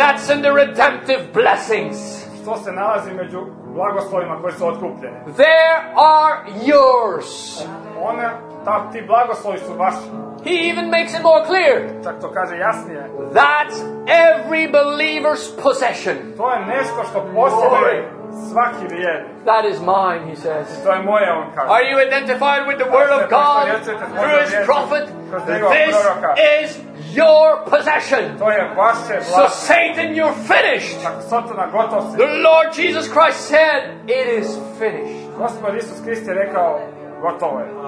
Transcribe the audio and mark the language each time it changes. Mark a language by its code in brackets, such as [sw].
[en] That's in the redemptive blessings. [hr] Što se nalazi među blagoslovima koji su otkupljeni. [en] There are yours. [hr] One, ti blagoslovi su vaši. [en] He even makes it more clear. [hr] Čak to kaže jasnije. [en] That's every believer's possession. [hr] To je nešto što posjeduje svaki vjernik. [en] That is mine, he says. [hr] To je moje, on kaže. [en] Are you identified with the word of God through his prophet? This is your possession. [hr] To je vaše vlast. [en] So Satan, you're finished. [hr] Tako, Satana, gotov si. [en] The Lord Jesus Christ said, it is finished. [hr] Gospod Isus Krist je rekao, gotovo je.